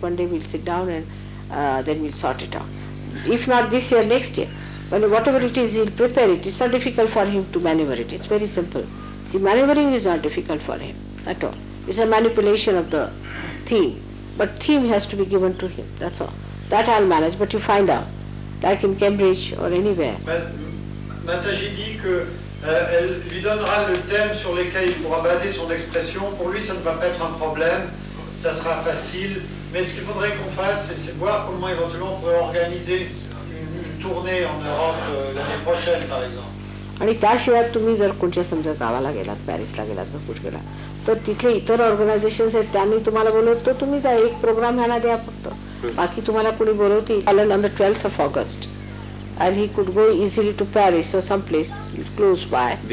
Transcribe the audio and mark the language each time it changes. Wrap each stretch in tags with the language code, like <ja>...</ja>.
<en>One day we'll sit down and then we'll sort it out. If not this year, next year. Well, whatever it is, he'll prepare it. It's not difficult for him to maneuver it. It's very simple. See, maneuvering is not difficult for him at all. It's a manipulation of the theme. But theme has to be given to him, that's all. That I'll manage, but you find out. Like in Cambridge or anywhere.</en> <fr>Mataji dit que elle lui donnera le thème sur lequel il pourra baser son expression. Pour lui, ça ne va pas être un problème, ça sera facile. Mais ce qu'il faudrait qu'on fasse, c'est voir comment éventuellement on pourrait organiser une tournée en Europe l'année prochaine, par exemple.</fr> <mr>आणि त्याशिवाय तुम्ही जर कोणत्या समजा गावाला गेलात, पॅरिसला गेलात, नकुट गेला, तर तिथले इतर ऑर्गनायझेशन आहेत, त्यांनी तुम्हाला बोलवत तर तुम्ही जा, एक प्रोग्राम ह्याला द्या फक्त, बाकी तुम्हाला कोणी बोलवते.</mr> <en>On the 12th of August and he could go easily to Paris or some place close by.</en>